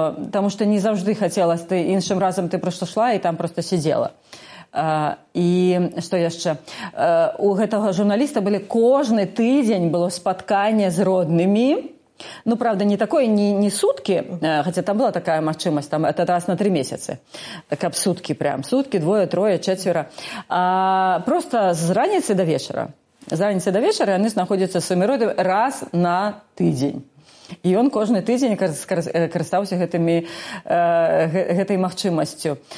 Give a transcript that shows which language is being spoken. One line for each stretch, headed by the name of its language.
Belarusian: Таму што не заўжды хацелася, ты іншым разам ты проста шла і там проста сядзела. І што яшчэ? У гэтага журналіста былі кожны тыдзень было спатканне з роднымі.
Russian: Ну, правда, не такое, не сутки, хотя там была такая махчимость, там это раз на 3 месяцы, как сутки прям, сутки, двое, трое, четверо, а просто с раницы до вечера они находятся с своими родами раз на тыдень.
Belarusian: І ён кожны тыдзень карыстаўся гэтай магчымасцю.